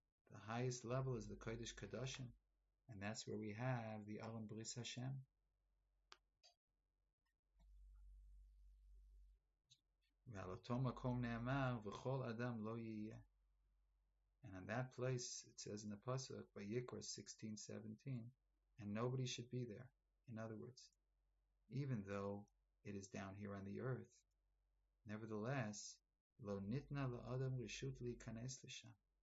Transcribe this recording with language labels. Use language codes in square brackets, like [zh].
[en] The highest level is the Kodesh Kadoshim, and that's where we have the Aron Bris Hashem. [he] באותו מקום נאמר וכל אדם לא יהיה. [en] And in that place it says in the pasuk Vayikra 16:17, and nobody should be there. In other words, even though it is down here on the earth, nevertheless, [he] lo nitna la'adam rishut li'kanes l'sham.